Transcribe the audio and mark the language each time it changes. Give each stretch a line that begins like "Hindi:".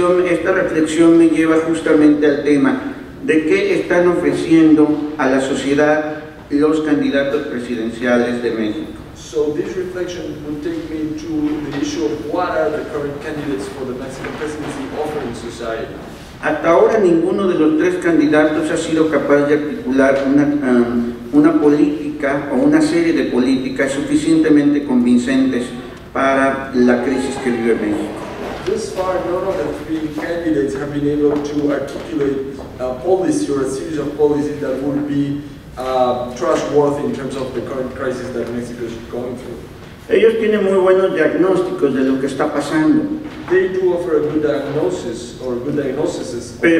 Spanish: Esta reflexión me lleva justamente al tema de qué están ofreciendo a la sociedad los candidatos presidenciales de México.
English: So this reflection will take me to the issue of what are the current candidates for the Mexican presidency offering society.
Spanish: Hasta ahora ninguno de los tres candidatos ha sido capaz de articular una política o una serie de políticas suficientemente convincentes para la crisis que vive México.
English: This far, none of the three candidates have been able to articulate a policy or a series of policies that would be trustworthy in terms of the current crisis that Mexico is going through.
Spanish: Ellos tienen muy buenos diagnósticos de lo que está pasando.
English: They do offer a good diagnosis or good diagnoses.